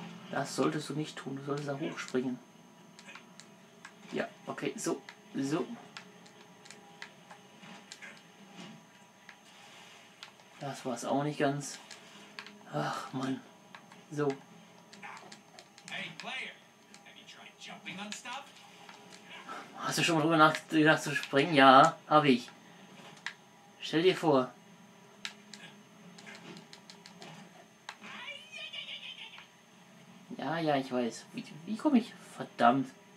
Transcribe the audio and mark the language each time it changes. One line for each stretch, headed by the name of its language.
German: Das solltest du nicht tun. Du solltest da hochspringen. Ja, okay. So, so. Das war es auch nicht ganz. Ach Mann. So. Hey, Player.
English: Have you tried jumping on stuff?
German: Hast du schon mal drüber nachgedacht zu springen? Ja, habe ich. Stell dir vor. Ja, ich weiß. Wie komme ich? Verdammt.